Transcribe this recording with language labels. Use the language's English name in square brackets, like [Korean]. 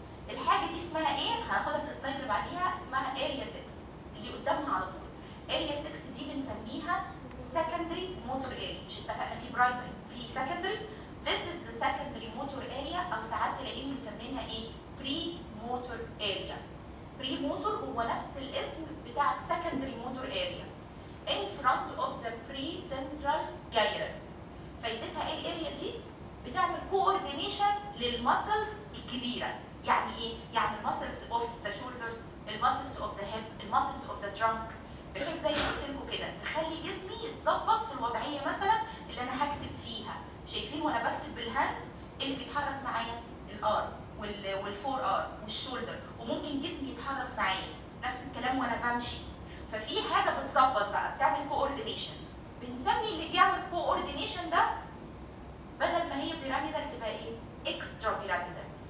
[Arabic] الحاجه دي اسمها ايه؟ هناخدها في السلايد اللي بعديها اسمها اريا 6 اللي قدامها على طول. اريا 6 دي بنسميها سكندري موتور اريا، مش اتفقنا في برايمري في سكندري. [English] This is the secondary motor area [Arabic] او ساعات تلاقيه بنسميها ايه؟ [English] Pre motor area. [Arabic] بري موتور هو نفس الاسم بتاع السكندري موتور اريا. [English] In front of the pre-central gyrus. [Arabic] فايدتها ايه الاريا دي؟ بتعمل coordination للمسلز الكبيرة. يعني ايه؟ يعني [English] المسلز of the shoulders, المسلز of the hip, المسلز of the trunk. [Arabic] بحيث زي ما قلت لكم كده تخلي جسمي يتظبط في الوضعية مثلا اللي أنا هكتب فيها. شايفين وأنا بكتب بالهاند اللي بيتحرك معايا؟ الأرم والفور أرم والشولدر وممكن جسمي يتحرك معايا. نفس الكلام وأنا بمشي. ففي حاجه بتظبط بقى بتعمل كوردينيشن بنسمي اللي بيعمل كوردينيشن ده بدل ما هي بيراميدال تبقى ايه؟ اكسترا بيراميدال.